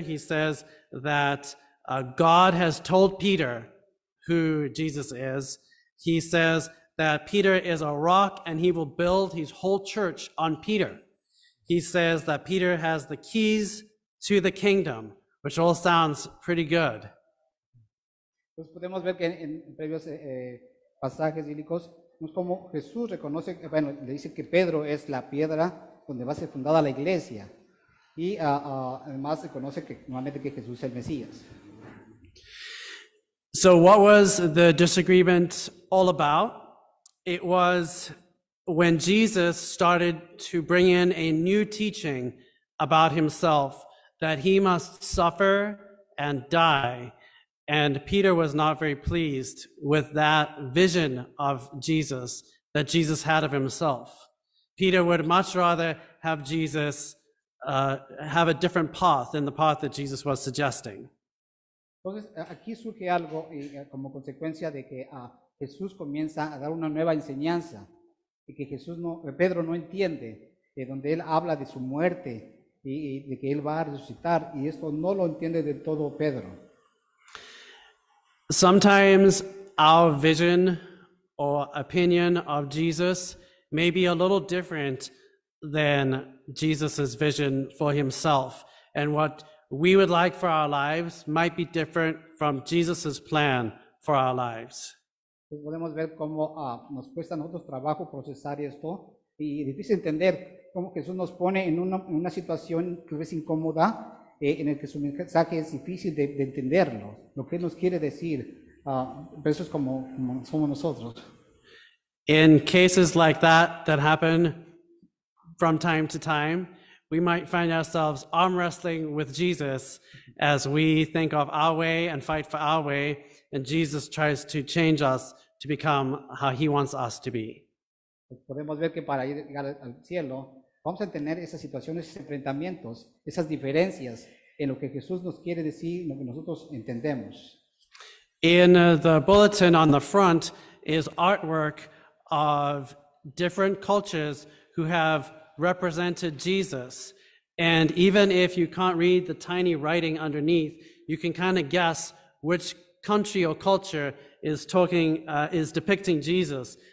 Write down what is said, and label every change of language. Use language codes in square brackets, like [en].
[en] He says that God has told Peter who Jesus is. He says that Peter is a rock and he will build his whole church on Peter. He says that Peter has the keys to the kingdom, which all sounds pretty good. [es] Pues podemos ver que en previos pasajes bíblicos, es como Jesús reconoce, bueno, le dice que Pedro es la piedra donde va a ser fundada la iglesia. Y además reconoce que nuevamente que Jesús es el Mesías. [en] So what was the disagreement all about? It was when Jesus started to bring in a new teaching about himself, that he must suffer and die. And Peter was not very pleased with that vision of Jesus that Jesus had of himself. Peter would much rather have Jesus have a different path than the path that Jesus was suggesting. [es] Entonces, aquí surge algo como consecuencia de que Jesús comienza a dar una nueva enseñanza y que Pedro no entiende, donde él habla de su muerte y de que él va a resucitar, y esto no lo entiende del todo Pedro. [en] Sometimes our vision or opinion of Jesus may be a little different than Jesus's vision for himself, and what we would like for our lives might be different from Jesus's plan for our lives. [es] Podemos ver cómo nos cuesta a nosotros trabajo procesar esto y difícil entender cómo Jesús nos pone en una situación que es incómoda, en el que su mensaje es difícil de entenderlo, lo que nos quiere decir, versus como, como somos nosotros. [en] In cases like that that happen from time to time, we might find ourselves arm wrestling with Jesus as we think of our way and fight for our way, and Jesus tries to change us to become how he wants us to be. [es] Podemos ver que para llegar al cielo vamos a tener esas situaciones, esos enfrentamientos, esas diferencias en lo que Jesús nos quiere decir, lo que nosotros entendemos. [en] In the bulletin on the front is artwork of different cultures who have represented Jesus. And even if you can't read the tiny writing underneath, you can kind of guess which country or culture is talking, is depicting Jesus.